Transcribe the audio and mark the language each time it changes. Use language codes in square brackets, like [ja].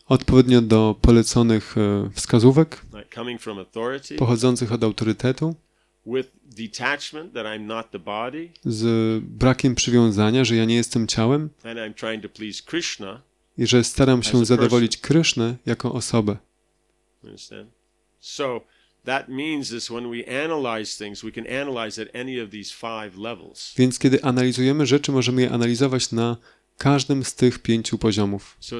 [pl] odpowiednio do poleconych wskazówek, [en] like coming from authority, [pl] pochodzących od autorytetu, [en] with detachment, that I'm not the body, [pl] z brakiem przywiązania, że ja nie jestem ciałem, [en] and I'm trying to please Krishna, [pl] i że staram się zadowolić Krysznę jako osobę. [en] Understand? So that means is when we analyze things, we can analyze at any of these five levels. [pl] Więc kiedy analizujemy rzeczy, możemy je analizować na każdym z tych pięciu poziomów.